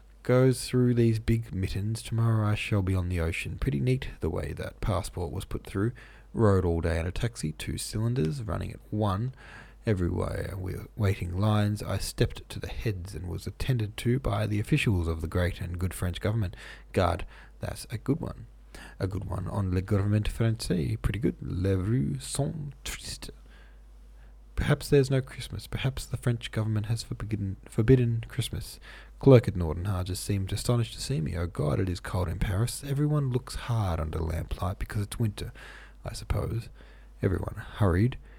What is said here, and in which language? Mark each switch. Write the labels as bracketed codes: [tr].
[en] Goes through these big mittens. Tomorrow I shall be on the ocean. Pretty neat the way that passport was put through. Rode all day in a taxi, two cylinders, running at one. Everywhere with waiting lines, I stepped to the heads and was attended to by the officials of the great and good French government. God, that's a good one. A good one on [fr] le gouvernement français. [en] Pretty good. [fr] Les rues sont tristes. [en] Perhaps there's no Christmas. Perhaps the French government has forbidden Christmas. Clerk at Norton Harges seemed astonished to see me. Oh God, it is cold in Paris. Everyone looks hard under lamplight because it's winter, I suppose. Everyone hurried.